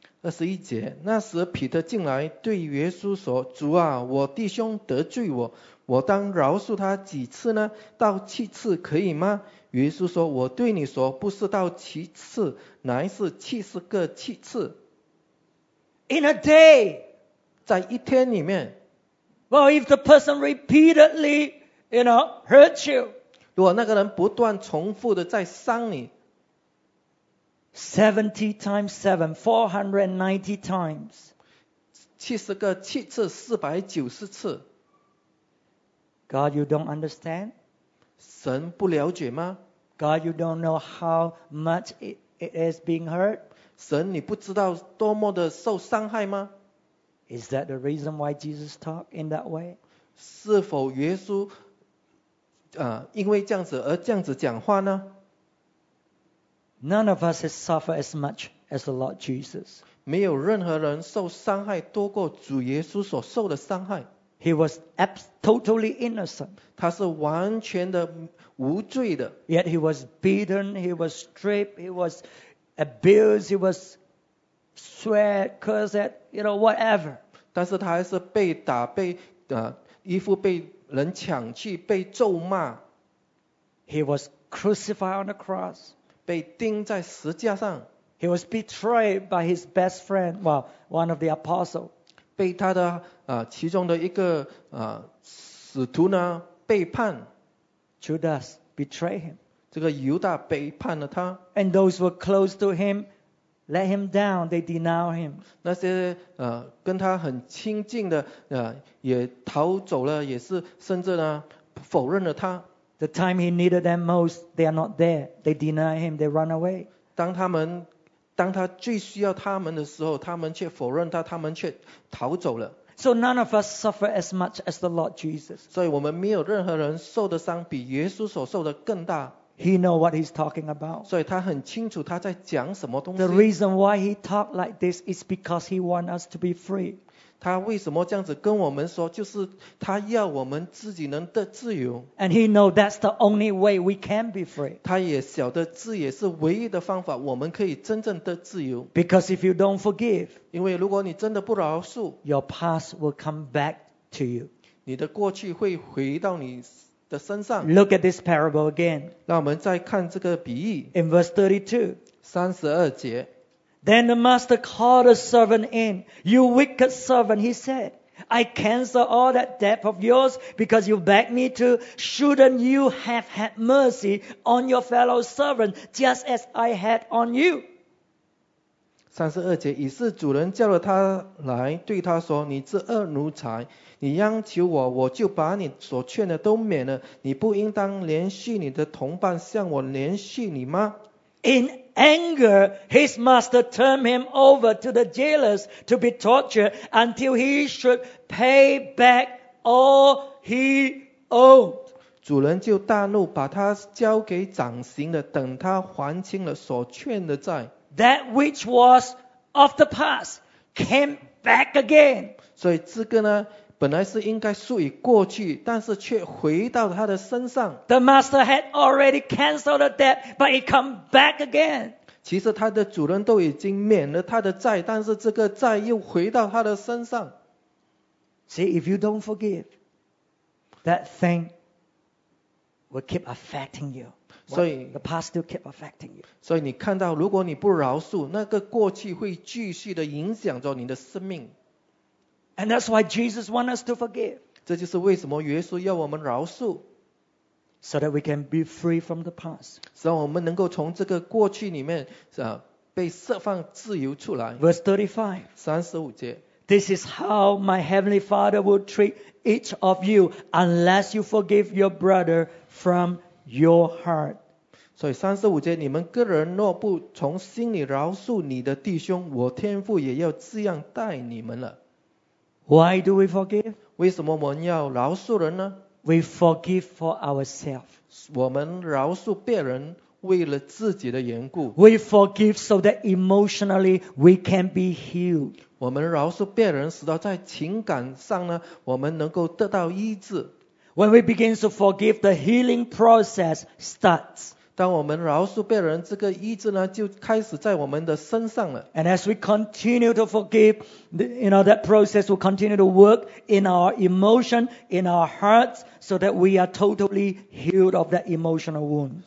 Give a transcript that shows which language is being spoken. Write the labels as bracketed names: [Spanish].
[Chinese] 二十一节，那时彼得进来对耶稣说，主啊，我弟兄得罪我，我当饶恕他几次呢？到七次可以吗？耶稣说，我对你说，不是到七次，乃是 [English] 77 times. In a day, [Chinese] 在一天里面， [English] well, if the person repeatedly, you know, hurts you, [Chinese] 如果那个人不断重复的在伤你， [English] 70 times 7, 490 times, 70 times 490 times. God, you don't understand? [Chinese] 神不了解吗？ [English] God, you don't know how much it is being hurt? [Chinese] 神你不知道多么的受伤害吗？ [English] Is that the reason why Jesus talked in that way? [Chinese] 是否耶稣因为这样子而这样子讲话呢？ [English] None of us has suffered as much as the Lord Jesus. [Chinese] 没有任何人受伤害多过主耶稣所受的伤害。 [English] He was totally innocent. [Chinese] 他是完全的无罪的。 [English] Yet he was beaten, he was stripped, he was abused, he was swear, curse at, you know, whatever. [Chinese] 但是他还是被打，被衣服被人抢去，被咒骂。 [English] He was crucified on the cross. [Chinese] 被钉在十字架上。 [English] He was betrayed by his best friend, well, one of the apostles. [Chinese] 被他的其中的一个使徒呢背叛。 [English] Judas betrayed him. [Chinese] 这个犹大背叛了他。 [English] And those were close to him. Let him down, they deny him. [Chinese] 那些跟他很亲近的也逃走了，也是甚至呢否认了他。 [English] The time he needed them most, they are not there. They deny him, they run away. [Chinese] 当他最需要他们的时候，他们却否认他，他们却逃走了。 [English] So none of us suffer as much as the Lord Jesus. [Chinese] 所以我们没有任何人受的伤比耶稣所受的更大。 [English] He knows what he's talking about. [Chinese] 所以他很清楚他在讲什么东西。 [English] The reason why he talked like this is because he wants us to be free. [Chinese] 他为什么这样子跟我们说，就是他要我们自己能得自由。 [English] And he knows that's the only way we can be free. [Chinese] 他也晓得这也是唯一的方法，我们可以真正得自由。 [English] Because if you don't forgive, [Chinese] 因为如果你真的不饶恕， [English] your past will come back to you. [Chinese] 你的过去会回到你的身上。 [English] Look at this parable again. [Chinese] 让我们再看这个比喻。 [English] In verse 32. [Chinese] 32节。 [English] Then the master called a servant in. You wicked servant, he said. I cancel all that debt of yours because you begged me to. Shouldn't you have had mercy on your fellow servant just as I had on you? [Chinese] 32节，以是主人叫了他来，对他说：“你这恶奴才，你央求我，我就把你所欠的都免了。你不应当连续你的同伴向我连续你吗？” [English] In anger, his master turned him over to the jailers to be tortured until he should pay back all he owed. [Chinese] 主人就大怒，把他交给掌刑的，等他还清了所欠的债。 [English] That which was of the past came back again. [Chinese] 所以这个呢，本来是应该属于过去，但是却回到他的身上。 [English] The master had already cancelled the debt, but it come back again. [Chinese] 其实他的主人都已经免了他的债，但是这个债又回到他的身上。 [English] See, if you don't forgive, that thing will keep affecting you. The past still keep affecting you. [Chinese] 所以你看到，如果你不饶恕，那个过去会继续的影响着你的生命。 [English] And that's why Jesus wants us to forgive. [Chinese] 这就是为什么耶稣要我们饶恕。 [English] So that we can be free from the past. [Chinese] 使我们能够从这个过去里面被释放自由出来。 [English] Verse 35. [Chinese] 35节。 [English] This is how my heavenly Father will treat each of you unless you forgive your brother from your heart. [Chinese] 所以35节，你们个人若不从心里饶恕你的弟兄，我天父也要这样待你们了。 [English] Why do we forgive? [Chinese] 为什么我们要饶恕人呢？ [English] We forgive for ourselves. [Chinese] 我们饶恕别人为了自己的缘故。 [English] We forgive so that emotionally we can be healed. [Chinese] 我们饶恕别人使到在情感上呢，我们能够得到医治。 [English] When we begin to forgive, the healing process starts. [Chinese] 当我们饶恕别人，这个医治呢就开始在我们的身上了。 [English] And as we continue to forgive, you know, that process will continue to work in our emotion, in our hearts, so that we are totally healed of that emotional wound.